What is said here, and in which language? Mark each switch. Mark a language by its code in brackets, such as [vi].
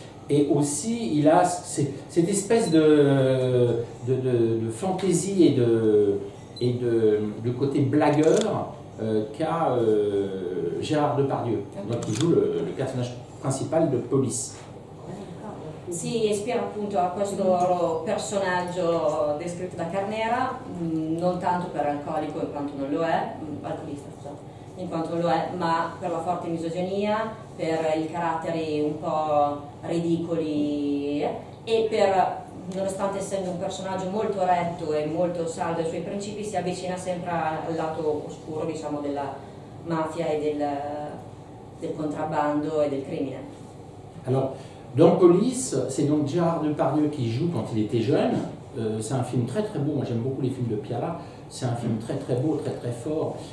[fr] Et aussi, il a cette espèce de fantaisie et de côté blagueur qu'a Gérard Depardieu, donc qui joue le personnage principal de Police. [it] Si ispira appunto a questo personaggio descritto da Carnera, non tanto per alcolico in quanto non lo è, alcolista in quanto lo è, ma per la forte misoginia, per i caratteri un po' ridicoli e per, nonostante essendo un personaggio molto retto e molto saldo ai suoi principi, si avvicina sempre al lato oscuro, diciamo, della mafia e del contrabbando e del crimine. Allora, [fr] dans Police, c'est donc Gérard Depardieu qui joue quand il était jeune. C'est un film très très beau, moi j'aime beaucoup les films de Piala. C'est un film très très beau, très très fort.